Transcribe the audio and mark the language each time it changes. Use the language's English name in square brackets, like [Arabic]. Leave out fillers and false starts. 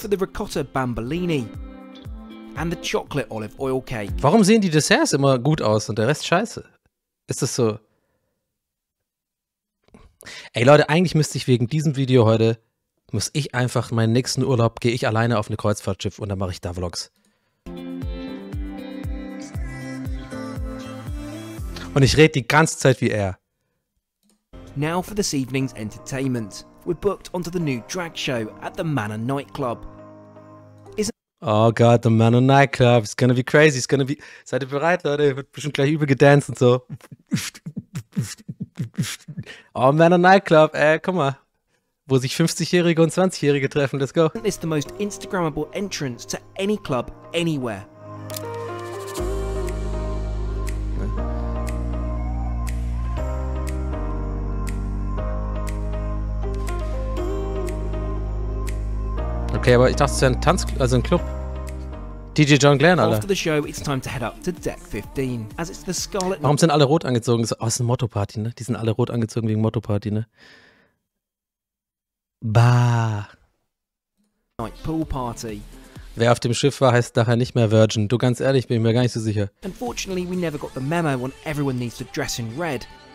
[English] Go for the ricotta bambolini and the chocolate olive oil cake. [German] Warum sehen die Desserts immer gut aus und der Rest scheiße? Ist das so? Ey Leute, eigentlich müsste ich wegen diesem Video heute, muss ich einfach meinen nächsten Urlaub, gehe ich alleine auf eine Kreuzfahrtschiff und dann mache ich da Vlogs. Und ich rede die ganze Zeit wie er. [English] Now for this evening's entertainment. We're booked onto the new drag show at the Manor Nightclub. [German] Oh Gott, [English] the Manor Nightclub, it's gonna be crazy, it's gonna be... [German] Seid ihr bereit, Leute? Ich wird bestimmt gleich übel gedanced und so. Oh, Manor Nightclub, guck mal. Wo sich 50-Jährige und 20-Jährige treffen, [English] let's go. It's the most Instagrammable entrance to any club anywhere. [German] Okay, aber ich dachte, es wäre ein Tanz, also ein Club. DJ John Glenn, Alter. [English] After the show, it's time to head up to Deck 15, as it's the Scarlet... [German] Warum sind alle rot angezogen? Oh, es ist eine Motto-Party, ne? Die sind alle rot angezogen wegen Motto-Party, ne? Bah. [English] Night pool party. [German] Wer auf dem Schiff war, heißt daher nicht mehr Virgin. Du, ganz ehrlich, bin ich mir gar nicht so sicher. [English] Unfortunately, we never got the memo on everyone needs to dress in red.